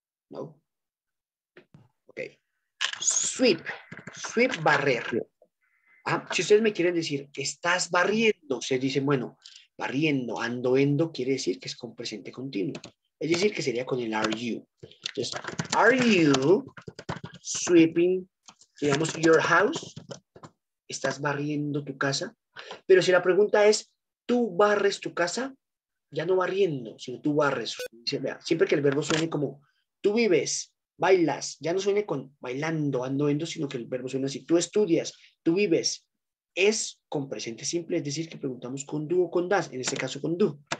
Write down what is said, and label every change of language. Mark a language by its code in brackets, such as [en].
[es] ¿No? Ok. [en] Sweep. Sweep, [es] barrer. Ah, si ustedes me quieren decir, estás barriendo, se dice, bueno, barriendo, andoendo, quiere decir que es con presente continuo. Es decir, que sería con el are you. Entonces, [en] are you sweeping, [es] digamos, [en] your house? [es] ¿Estás barriendo tu casa? Pero si la pregunta es, ¿tú barres tu casa? Ya no barriendo, sino tú barres. Siempre que el verbo suene como, tú vives, bailas, ya no suene con bailando, andoendo, sino que el verbo suene así, tú estudias, tú vives, es con presente simple, es decir, que preguntamos con do o con das, en este caso con do.